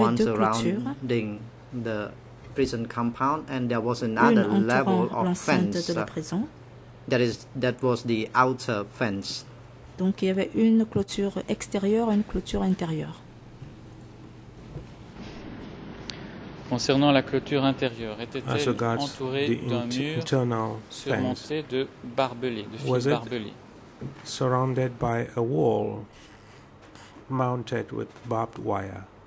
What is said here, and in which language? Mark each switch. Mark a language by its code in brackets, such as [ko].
[en] one surrounding the prison compound, and there was another level of fence. [fr] De la prison. [en] That was the outer fence. [fr] Donc il y avait une clôture extérieure et une clôture intérieure. Concernant la clôture intérieure, était-elle entourée d'un mur surmonté de barbelés, de fils barbelés? [en] Surrounded by a wall mounted with barbed wire.